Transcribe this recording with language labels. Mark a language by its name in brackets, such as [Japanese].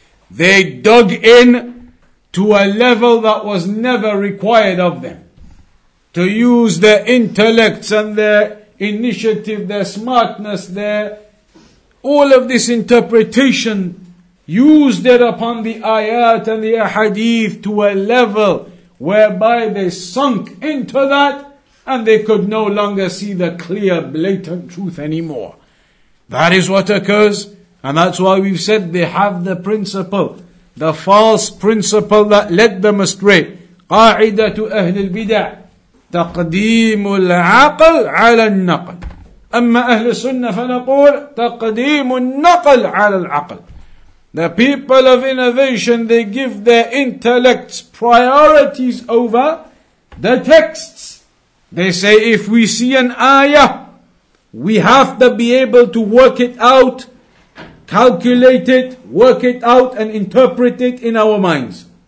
[English] They dug in to a level that was never required of them, to use their intellects and their initiative, their smartness, their all of this interpretation, used it upon the ayat and the ahadith to a level whereby they sunk into that and they could no longer see the clear, blatant truth anymore. That is what occurs. And that's why we've said they have the principle, the false principle that led them astray. [Arabic] قاعدة أهل البدع تقديم العقل على النقل. أما أهل السنة فنقول تقديم النقل على العقل. [English] The people of innovation, they give their intellects priorities over the texts. They say if we see an ayah, we have to be able to work it out, calculate it, work it out, and interpret it in our minds.